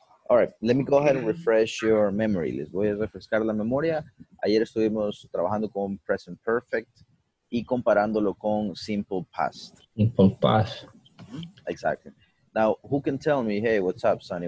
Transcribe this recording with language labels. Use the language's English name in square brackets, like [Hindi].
[English] All right, let me go ahead and refresh your memory. [Spanish] Les voy a refrescar la memoria. Ayer estuvimos trabajando con present perfect y comparándolo con simple past. [English] Simple past. Exactly. Now, who can tell me, hey, what's up, Sunny?